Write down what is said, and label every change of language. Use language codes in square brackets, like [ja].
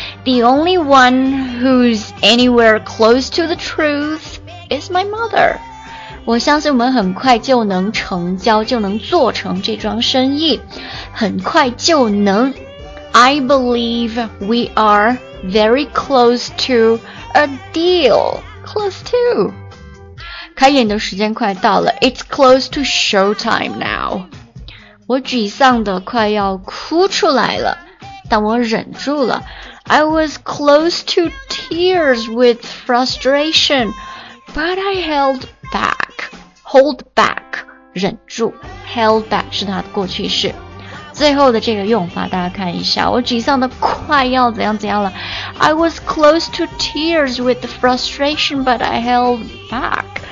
[en] The only one who's anywhere close to the truth is my mother. [zh] 我相信我们很快就能成交，就能做成这桩生意，很快就能。 [en] I believe we are very close to a deal. Close to. [zh] 开演的时间快到了， [en] It's close to show time now. [zh] 我沮丧的快要哭出来了，但我忍住了。 [en] I was close to tears with frustration, but I held back. [zh] Hold back, 忍住。Held back 是它的过去式。最后的这个用法大家看一下，我沮丧的快要怎样怎样了。 [en] I was close to tears with frustration, but I held back.